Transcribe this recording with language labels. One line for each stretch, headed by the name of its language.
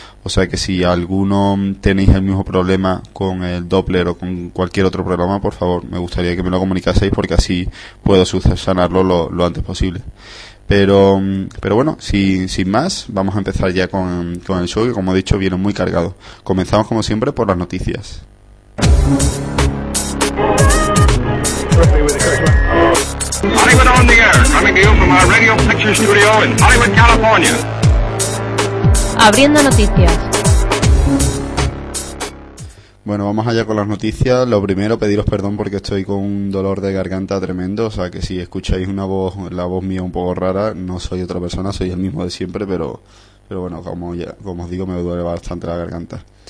Spanish: O sea que si alguno tenéis el mismo problema con el Doppler o con cualquier otro programa, por favor, me gustaría que me lo comunicaseis porque así puedo subsanarlo lo antes posible. Pero bueno, sin más, vamos a empezar ya con el show, que como he dicho viene muy cargado. Comenzamos como siempre por las noticias.
English: Hollywood on the air, coming to you from our Radio Picture Studio in Hollywood, California.
Spanish: Abriendo noticias. Bueno, vamos allá con las noticias. Lo primero, pediros perdón porque estoy con un dolor de garganta tremendo. O sea, que si escucháis una voz, la voz mía un poco rara, no soy otra persona, soy el mismo de siempre, pero bueno, como os digo, me duele bastante la garganta.